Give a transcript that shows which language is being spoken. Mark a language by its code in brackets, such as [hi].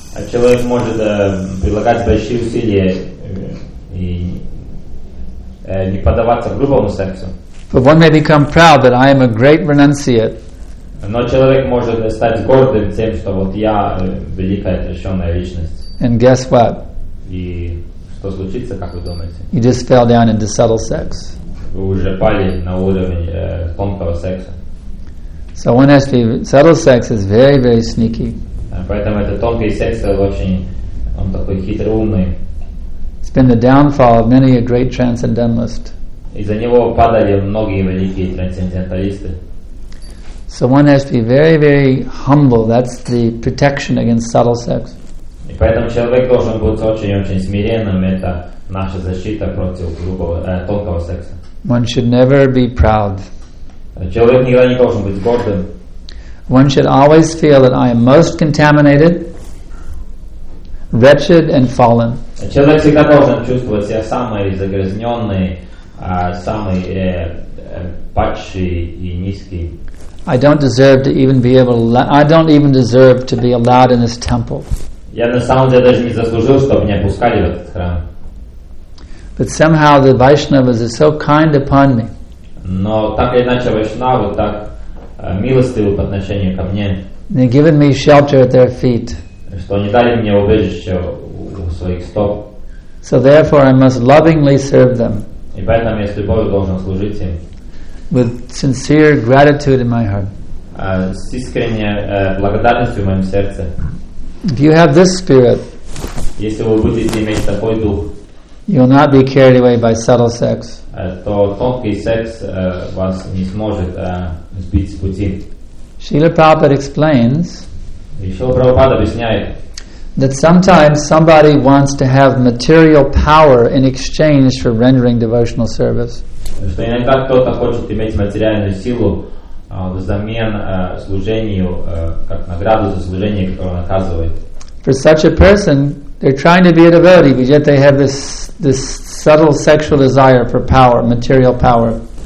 [ru] Человек может прилагать большие усилия и не поддаваться грубому сексу. [en] But one may become proud that I am a great renunciate. [ru] Но человек может стать гордым тем, что вот я великая отрешенная личность. [en] And guess what? [ru] И что случится, как вы думаете? [en] You just fell down into subtle sex. [ru] Вы уже пали на уровень тонкого секса. [en] So one has to be, subtle sex is very, very sneaky. [ru] Поэтому этот тонкий секс очень, он такой хитроумный. [en] It's been the downfall of many a great transcendentalist. [ru] Из-за него падали многие великие трансценденталисты. [en] So one has to be very, very humble. That's the protection against subtle sex. [ru] И поэтому человек должен быть очень-очень смиренным. Это наша защита против грубого, тонкого секса. [en] One should never be proud. [ru] Человек никогда не должен быть гордым. [en] One should always feel that I am most contaminated, wretched and fallen. [ru] Человек всегда должен чувствовать себя самый загрязненный, самый падший и низкий. [en] I don't deserve to even be able to. I don't even deserve to be allowed in this temple. [ru] Я на самом деле даже не заслужил, чтобы меня пускали в этот храм. [en] But somehow the Vaishnavas are so kind upon me. [ru] Но так или иначе Вайшнавы так милостивы по отношению ко мне. [en] They given me shelter at their feet. [ru] Что они дали мне убежище у своих стоп. [en] So therefore, I must lovingly serve them. [ru] И поэтому я с любовью должен служить им. [en] With sincere gratitude in my heart. [ru] С искренней благодарностью в моем сердце. [en] If you have this spirit, [ru] если вы будете иметь такой дух, [en] you will not be carried away by subtle sex. [ru] То тонкий секс вас не сможет сбить с пути. [en] Srila Prabhupada explains. [ru] Srila Prabhupada объясняет. [en] That sometimes somebody wants to have material power in exchange for rendering devotional service. [ru] Что иногда кто-то хочет иметь материальную силу взамен служению как награду за служение, которое он оказывает. [en] For such a person, they're trying to be a devotee, but yet they have this subtle sexual desire for power, material power.